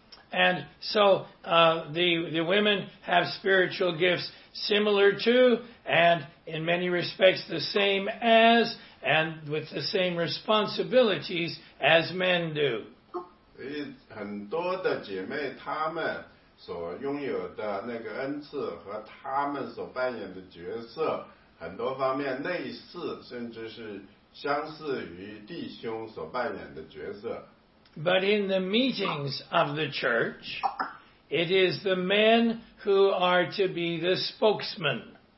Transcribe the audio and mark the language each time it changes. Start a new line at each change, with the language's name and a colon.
English: And so the women have spiritual gifts similar to, and in many respects the same as, and with the same responsibilities as men do.
Chinese: 所以很多的姐妹，她们所拥有的那个恩赐和她们所扮演的角色，很多方面类似，甚至是相似于弟兄所扮演的角色。
English: But in the meetings of the church, it is the men who are to be the spokesman.